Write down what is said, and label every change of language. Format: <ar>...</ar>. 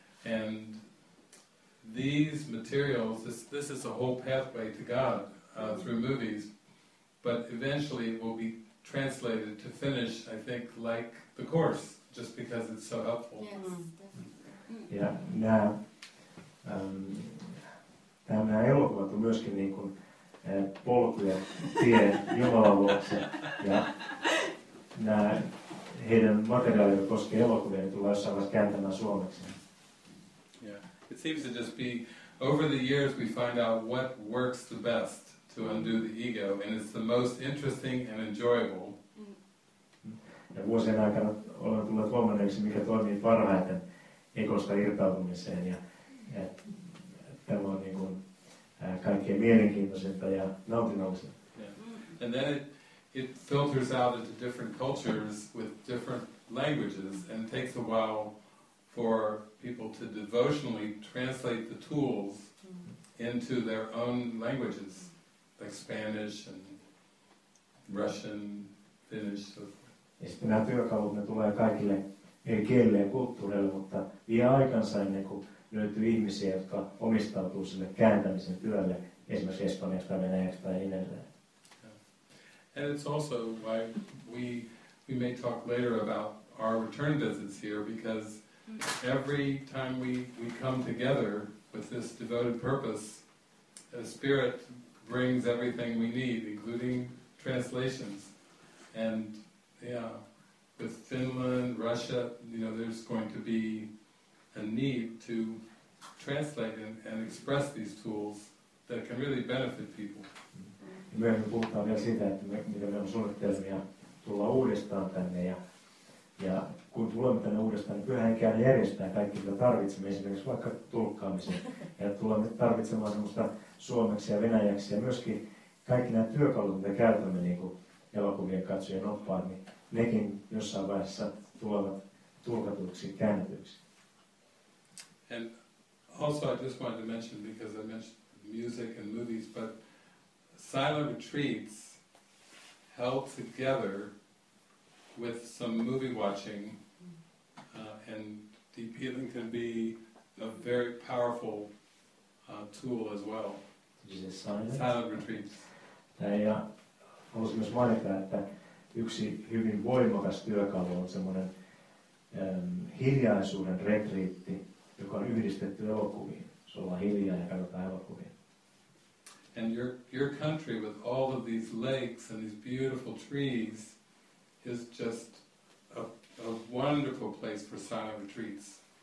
<en>And these materials, this is a whole pathway to God through movies, but eventually it will be translated to Finnish, I think, like the course, just because it's so helpful. Yes, definitely.</en> <fi>Nämä elokuvat on myöskin niin kuin polkuja, tie Jumalan luokse, ja nämä heidän materiaalit koskee elokuvia, niin tulee jossain vaiheessa kääntämään suomeksi.</fi> <en>It seems to just be, over the years we find out what works the best to undo the ego, and it's the most interesting and enjoyable.</en> <fi>Ja vuosien aikana olen tullut huomanneeksi, mikä toimii parhaiten ekosta irtautumiseen, ja tämä on niin kuin kaikkein mielenkiintoisinta ja nautinnollista.</fi> <en>And then it filters out into different cultures with different languages, and takes a while for people to devotionally translate the tools into their own languages, like Spanish and Russian, Finnish.</en> <fi>Ja sitten nämä työkalut, ne tulee kaikille eri kielille ja kulttuureille, mutta vie aikansa ennen kuin löytyy ihmisiä, jotka omistautuu sille kääntämisen työlle, esimerkiksi Espanjasta, Venäjästä ja edelleen.</fi> <en>And it's also why we may talk later about our return visits here, because every time we come together with this devoted purpose, a spirit brings everything we need, including translations. And yeah, with Finland, Russia, you know, there's going to be a need to translate and express these tools that can really benefit people.</en> <fi>Myöhemmin puhutaan vielä siitä, että mitä meillä on suunnitelmia tulla uudestaan tänne. Ja kun tulemme tänne uudestaan, niin pyhä henkeä järjestää kaikki, mitä tarvitsemme, esimerkiksi vaikka tulkkaamisen. Ja tulemme tarvitsemaan semmoista suomeksi ja venäjäksi ja myöskin kaikki nämä työkalut, mitä käytämme niin kuin elokuvien katsojien oppaan, niin nekin jossain vaiheessa tulevat tulkatuiksi, käännetyiksi.</fi> <en>And also I just wanted to mention, because I mentioned music and movies, but silent retreats held together with some movie watching, and deep healing can be a very powerful tool as well. Silent retreats.</en> <fi>Ja haluaisin myös mainita, että yksi hyvin voimakas työkalu on semmoinen hiljaisuuden retriitti, joka on yhdistetty elokuviin. Se ollaan hiljaa ja katsotaan elokuviin.</fi> <en>And your country with all of these lakes and these beautiful trees is just a wonderful place for silent retreats.</en>